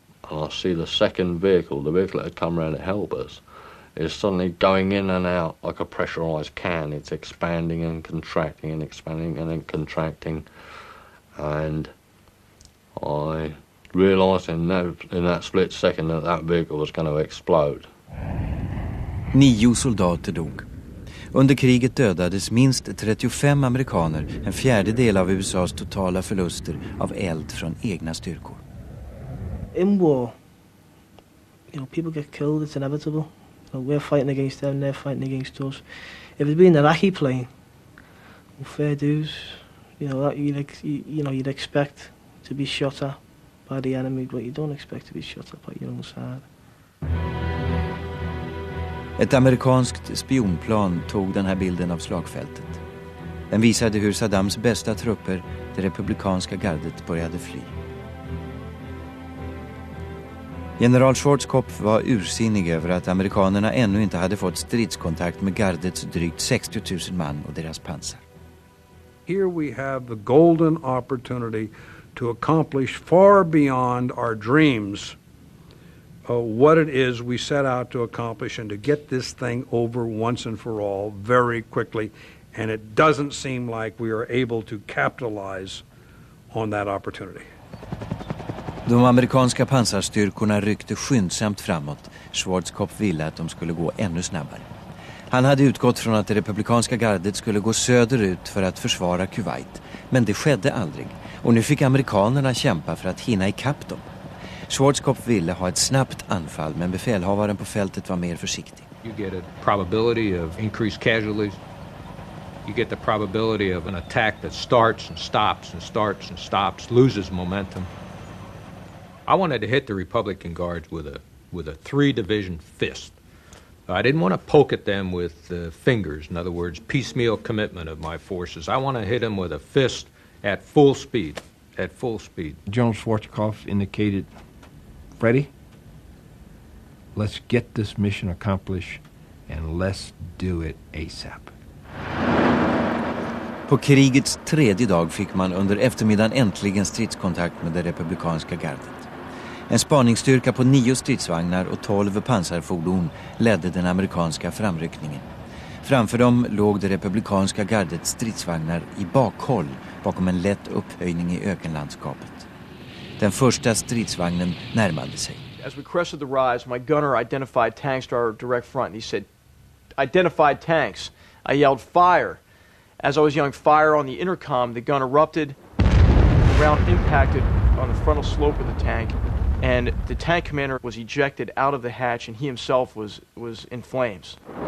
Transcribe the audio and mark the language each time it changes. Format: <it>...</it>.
<en>And I see the second vehicle, the vehicle that had come round to help us, is suddenly going in and out like a pressurised can. It's expanding and contracting and expanding and then contracting. And I realised in that split second that vehicle was going to explode.</en> <sv>9 soldater dog. Under kriget dödades minst 35 amerikaner, en fjärdedel av USA:s totala förluster av eld från egna styrkor.</sv> <en>In war, you know, people get killed, it's inevitable. You know, we're fighting against them, they're fighting against us. If it'd been an Iraqi plane, well, fair dues, you know, that you'd expect to be shot at by the enemy, but you don't expect to be shot at by your own side.</en> <sv>Ett amerikanskt spionplan tog den här bilden av slagfältet. Den visade hur Saddams bästa trupper, det republikanska gardet, började fly. General Schwarzkopf var ursinnig över att amerikanerna ännu inte hade fått stridskontakt med gardets drygt 60 000 man och deras pansar.</sv> <en>Here we have the golden opportunity to accomplish far beyond our dreams. What it is we set out to accomplish and to get this thing over once and for all very quickly, and it doesn't seem like we are able to capitalize on that opportunity.</en> <sv>De amerikanska pansarstyrkorna ryckte skyndsamt framåt. Schwarzkopf ville att de skulle gå ännu snabbare. Han hade utgått från att det republikanska gardet skulle gå söderut för att försvara Kuwait, men det skedde aldrig, och nu fick amerikanerna kämpa för att hinna ikapp dem. Schwarzkopf ville ha ett snabbt anfall, men befälhavaren på fältet var mer försiktig.</sv> <en>You get a probability of increased casualties. You get the probability of an attack that starts and stops and starts and stops, loses momentum. I wanted to hit the Republican guards with a three-division fist. I didn't want to poke at them with the fingers, in other words, piecemeal commitment of my forces. I want to hit them with a fist at full speed. At full speed. General Schwarzkopf indicated, "Ready? Let's get this mission accomplished and let's do it ASAP."</en> <sv>På krigets tredje dag fick man under eftermiddagen äntligen stridskontakt med det republikanska gardet. En spaningsstyrka på 9 stridsvagnar och 12 pansarfordon ledde den amerikanska framryckningen. Framför dem låg det republikanska gardets stridsvagnar i bakhåll bakom en lätt upphöjning i ökenlandskapet. Den första stridsvagnen närmade sig.</sv> <en>As we crested the rise, my gunner identified tanks to our direct front. He said, "Identified tanks." I yelled, "Fire." As I was yelling fire on the intercom, the gun erupted. The round impacted on the frontal slope of the tank and the tank commander was ejected out of the hatch and he himself was in flames.</en>